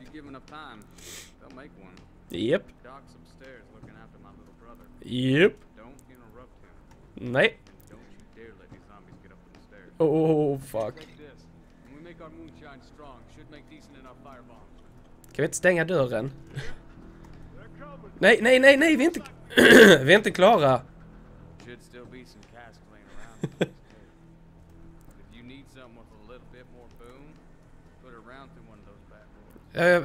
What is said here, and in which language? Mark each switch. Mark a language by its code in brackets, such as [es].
[en] If you give enough time, they'll make one. Yep. Doc's upstairs looking after my little brother. Yep. Don't interrupt him. Nej. Don't you dare let these zombies get up the stairs. Oh fuck. When we make our moonshine strong, should make decent enough firebombs. [sv] Kan vi inte stänga dörren? Nej, nej, nej, nej, vi är inte vi är inte klara. [en] Should still be some cask laying around. If you need something with a little bit more boom, put it round through one of those back doors.